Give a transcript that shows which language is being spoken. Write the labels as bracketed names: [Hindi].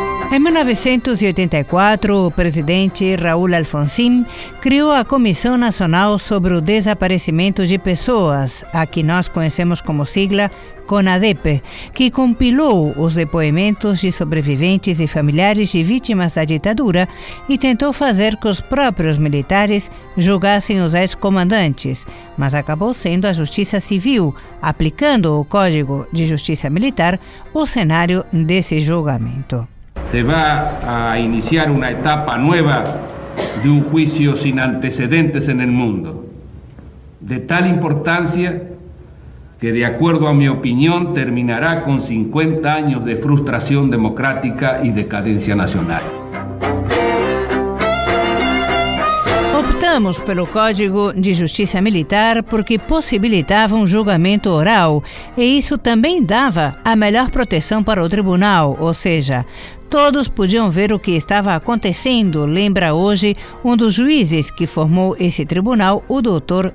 [Portuguese] Em 1984, o presidente Raul Alfonsín criou a Comissão Nacional sobre o Desaparecimento de Pessoas, a que nós conhecemos como sigla CONADEP, que compilou os depoimentos de sobreviventes e familiares de vítimas da ditadura e tentou fazer que os próprios militares julgassem os ex-comandantes, mas acabou sendo a Justiça Civil, aplicando o Código de Justiça Militar, o cenário desse julgamento. [Spanish] Se va a iniciar una etapa nueva de un juicio sin antecedentes en el mundo, de tal importancia que, de acuerdo a mi opinión, terminará con 50 años de frustración democrática y decadencia nacional. [Portuguese] passamos pelo Código de Justiça Militar porque possibilitava um julgamento oral e isso também dava a melhor proteção para o tribunal, ou seja, todos podiam ver o que estava acontecendo, lembra hoje um dos juízes que formou esse tribunal, o Dr.